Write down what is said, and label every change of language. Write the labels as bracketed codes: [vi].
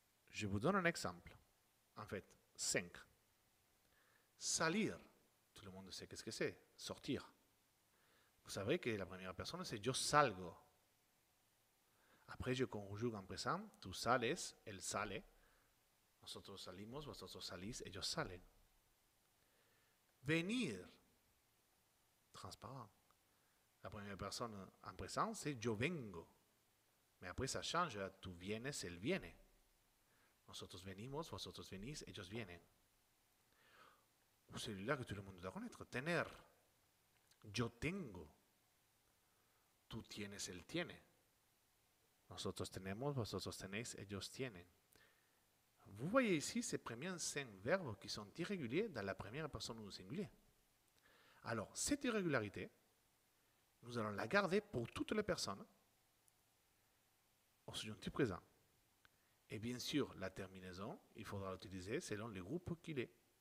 [fr] Je vous donne un exemple. En fait, 5. Salir. Tout le monde sait qu'est-ce que c'est. Sortir. Vous savez que la première personne, c'est [es] yo salgo. [fr] Après, je conjugue en présent. [es] Tu sales, él sale. Nosotros salimos, vosotros salís, ellos salen. [fr] Venir, transparent. La première personne en présent, c'est [es] yo vengo. [fr] Mais après, ça change. [es] Tu vienes, él viene. [fr] Nosotros venimos, vosotros venís, ellos vienen. Ou celui-là que tout le monde doit connaître. [es] Tener. Yo tengo. Tu tienes, él tiene. Nosotros tenemos, vosotros tenéis, ellos tienen. [fr] Vous voyez ici ces premiers 5 verbes qui sont irréguliers dans la première personne du singulier. Alors, cette irrégularité, nous allons la garder pour toutes les personnes au subjonctif présent. Et bien sûr, la terminaison, il faudra l'utiliser selon le groupe qu'il est.